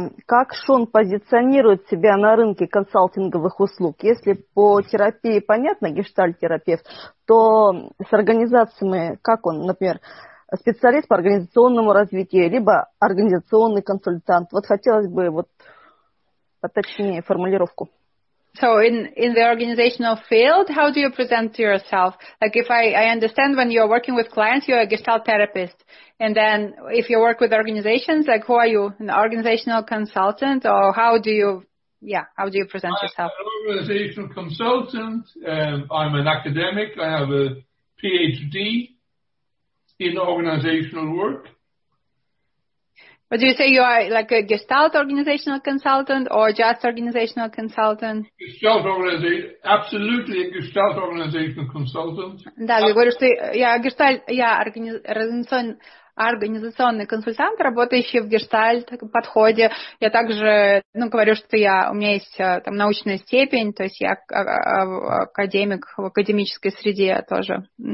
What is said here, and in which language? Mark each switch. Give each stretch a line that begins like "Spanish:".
Russian: Как Шон позиционирует себя на рынке консалтинговых услуг? Если по терапии понятно, гештальт-терапевт, то с организациями, как он, например, специалист по организационному развитию, либо организационный консультант? Вот хотелось бы вот поточнее формулировку.
English: So in the organizational field, how do you present yourself? Like if I understand when you're working with clients, you're a gestalt therapist. And then if you work with organizations, like who are you, an organizational consultant? Or how do you present yourself? I'm an organizational consultant. I'm an academic. I have a PhD in organizational work. But do you say you are like a gestalt organizational consultant or just organizational consultant? Gestalt organization, absolutely a gestalt organizational consultant.
Russian: Да, я говорю, что я гештальт, я организационный консультант, работающий в гештальт подходе. Я также, ну, говорю, что я, у меня есть там научная степень, то есть я академик в академической среде тоже.